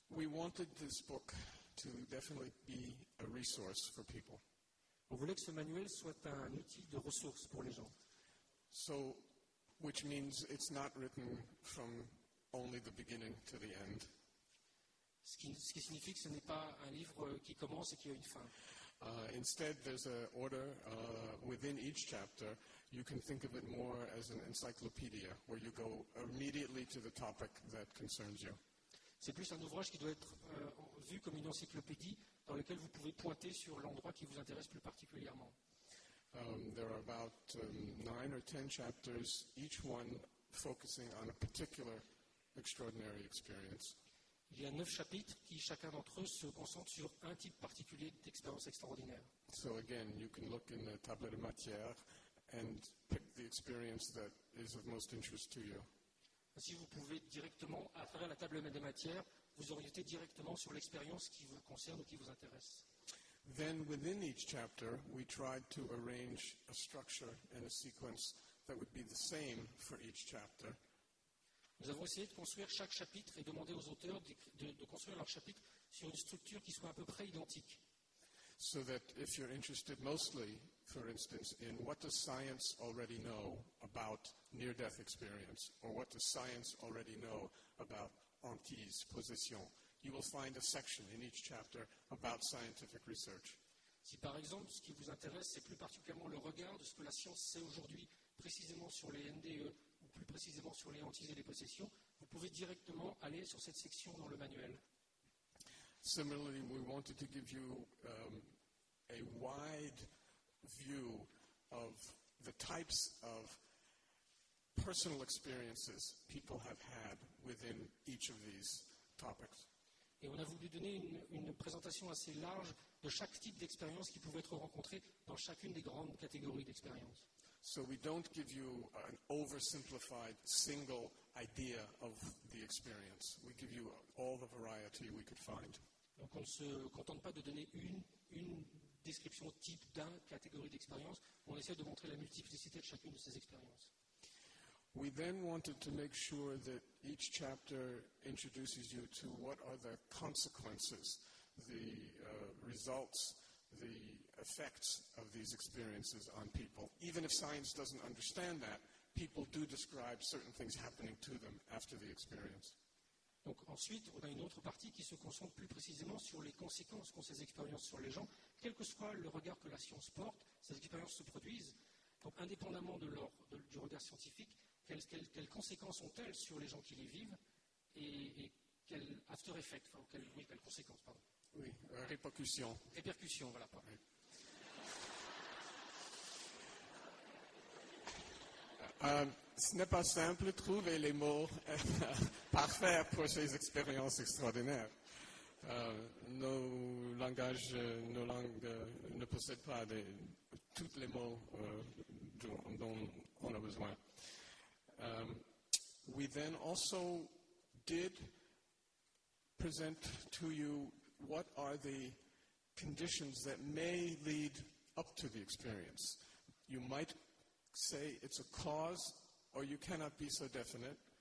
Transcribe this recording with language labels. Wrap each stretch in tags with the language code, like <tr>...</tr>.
<en>wanted this book to definitely be a resource for people.</en> <fr>On voulait que ce manuel soit un outil de ressource pour les gens.</fr> <en>So, which means it's not written from only the beginning to the end.</en> <fr>Ce qui signifie que ce n'est pas un livre qui commence et qui a une fin.</fr> <en>Instead, there's an order within each chapter. You can think of it more as an encyclopedia, where you go immediately to the topic that concerns you.</en> <fr>C'est plus un ouvrage qui doit être vu comme une encyclopédie dans lequel vous pouvez pointer sur l'endroit qui vous intéresse plus particulièrement.</fr> <en>There are about 9 or 10 chapters, each one focusing on a particular extraordinary experience.</en> <fr>Il y a 9 chapitres qui, chacun d'entre eux, se concentrent sur un type particulier d'expérience extraordinaire.</fr> <en>So again, you can look in the tablet de matière and pick the experience that is of most interest to you.</en> <fr>Si vous pouvez directement, à travers la table de matière, vous orienter directement sur l'expérience qui vous concerne ou qui vous intéresse.</fr> <en>Then within each chapter, we tried to arrange a structure and a sequence that would be the same for each chapter.</en> <fr>Nous avons essayé de construire chaque chapitre et demandé aux auteurs de construire leur chapitre sur une structure qui soit à peu près identique.</fr> <en>So that if you're interested mostly, for instance, in what does science already know about near-death experience, or what does science already know about hantise, possession, you will find a section in each chapter about scientific research.</en> <fr>Si par exemple, ce qui vous intéresse, c'est plus particulièrement le regard de ce que la science sait aujourd'hui, précisément sur les NDE, ou plus précisément sur les hantises et les possessions, vous pouvez directement aller sur cette section dans le manuel.</fr> <en>Similarly, we wanted to give you a wide view of the types of personal experiences people have had within each of these topics.</en> <fr>Et on a voulu donner une présentation assez large de chaque type d'expérience qui pouvait être rencontrée dans chacune des grandes catégories d'expériences.</fr> <en>So we don't give you an oversimplified single idea of the experience. We give you all the variety we could find.</en> <fr>Donc on ne se contente pas de donner une description type d'une catégorie d'expérience. On essaie de montrer la multiplicité de chacune de ces expériences. We then wanted to make sure that each chapter introduces you to what are the consequences, the results, the effects of these experiences on people. Even if science doesn't understand that, people do describe certain things happening to them after the experience. Donc ensuite, on a une autre partie qui se concentre plus précisément sur les conséquences qu'ont ces expériences sur les gens. Quel que soit le regard que la science porte, ces expériences se produisent. Donc indépendamment du regard scientifique, quelles conséquences ont-elles sur les gens qui les vivent et quel</fr> <en>after effect,</en> <fr>enfin, quelles conséquences, pardon. Oui, répercussions. Répercussions, voilà. Oui. Ce n'est pas simple de trouver les mots parfaits pour ces expériences extraordinaires. Nos langues ne possèdent pas tous les mots dont on a besoin.</fr> <en>We then also did present to you what are the conditions that may lead up to the experience. You might say it's a cause, or you cannot be so definite.</en>